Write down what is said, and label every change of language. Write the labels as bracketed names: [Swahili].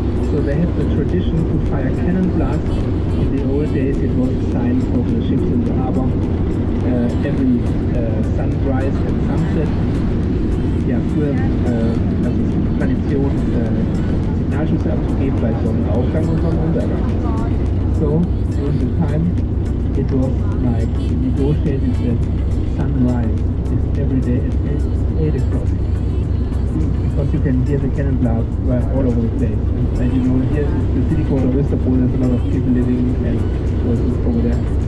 [English] So they had the tradition to fire cannon blasts. In the old days it was a sign for the ships in the harbor. Every sunrise and sunset. [German] Ja, früher also es ist Tradition, Signalschüsse abzugeben bei Sonnenaufgang und Sonnenuntergang. [English] So, during the time it was like negotiated that sunrise is every day at 8 o'clock. Because you can hear the cannon blast right all over the place. And you know, here is the city called Westerpol, there's a lot of people living and voices over there.